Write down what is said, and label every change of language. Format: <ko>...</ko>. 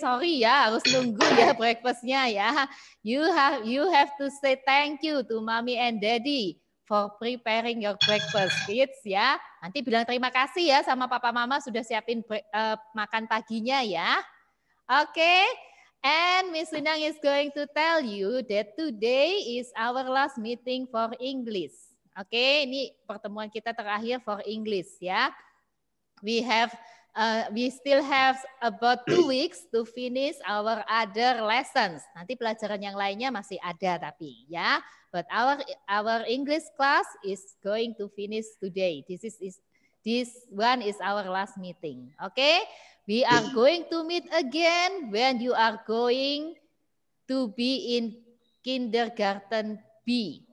<id>Sorry ya, harus nunggu ya breakfastnya ya.</id> <en>You have to say thank you to mommy and daddy for preparing your breakfast, kids ya.</en> <id>Nanti bilang terima kasih ya sama papa mama sudah siapin makan paginya ya.</id> <en>Okay, and Miss Linang is going to tell you that today is our last meeting for English.</en> <id>Okay, ini pertemuan kita terakhir for English ya.</id> <en>We still have about 2 weeks to finish our other lessons.</en> <id>Nanti pelajaran yang lainnya masih ada tapi ya.</id> <en>But our English class is going to finish today. This one is our last meeting. Okay? We are going to meet again when you are going to be in kindergarten B.</en>